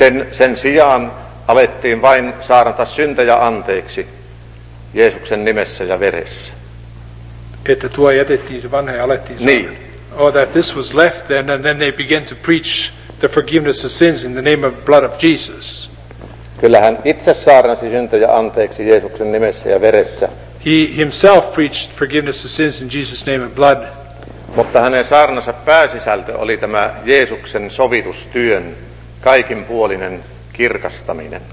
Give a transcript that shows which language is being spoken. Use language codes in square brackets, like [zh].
[fi] Sen sijaan alettiin vain saarnata syntejä anteeksi Jeesuksen nimessä ja veressä. Että tuo jätettiin se vanha ja alettiin saada. Niin. [en] Or that this was left then, and then they began to preach the forgiveness of sins in the name of blood of Jesus. [fi] Kyllähän itse saarnasi syntejä anteeksi Jeesuksen nimessä ja veressä. [en] He himself preached forgiveness of sins in Jesus' name and blood. [fi] Mutta hänen saarnansa pääsisältö oli tämä Jeesuksen sovitustyön kaikinpuolinen kirkastaminen.